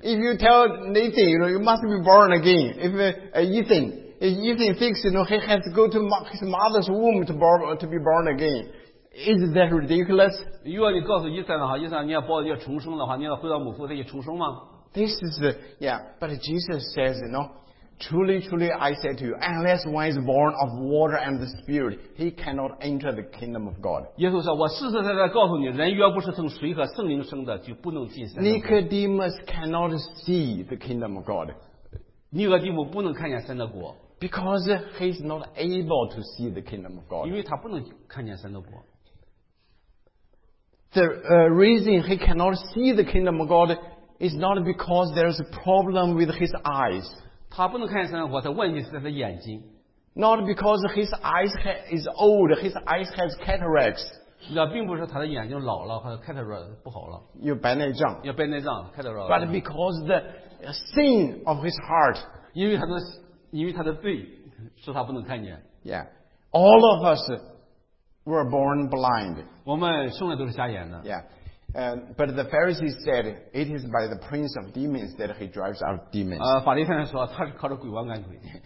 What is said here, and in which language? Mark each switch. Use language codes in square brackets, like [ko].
[en] If you tell Nathan, you know, you must be born again. If Ethan. Ethan thinks, you know, he has to go to his mother's womb to be born again. Is that ridiculous? [zh] 如果你告诉伊森的话,伊森,你要重生的话,你要回到母腹再去重生吗? [en] This is, yeah, but Jesus says, you know, truly, truly, I say to you, unless one is born of water and the Spirit, he cannot enter the kingdom of God. [zh] 耶稣说,我实实在在告诉你,人若不是从水和圣灵生的,就不能进神的国。Nicodemus [en] cannot see the kingdom of God. [zh] 尼哥底母不能看见神的国。 [en] Because he is not able to see the kingdom of God. [zh] 因为他不能看见神的国。 [en] The reason he cannot see the kingdom of God is not because there is a problem with his eyes. [zh] 他不能看见神的国, 他问题是他的眼睛。 [en] Not because his eyes is old, his eyes has cataracts. [zh] 并不是他的眼睛老了,或者cataracts不好了。有白内障。有白内障, cataracts. [en] But because the sin of his heart. [zh] 因为他的罪,使他不能看见。 [en] Yeah. All of us were born blind. [zh] 我们生来都是瞎眼的。 [en] Yeah. But the Pharisees said, it is by the prince of demons that he drives out demons. [zh] 法利赛人说,他是靠着鬼王赶鬼。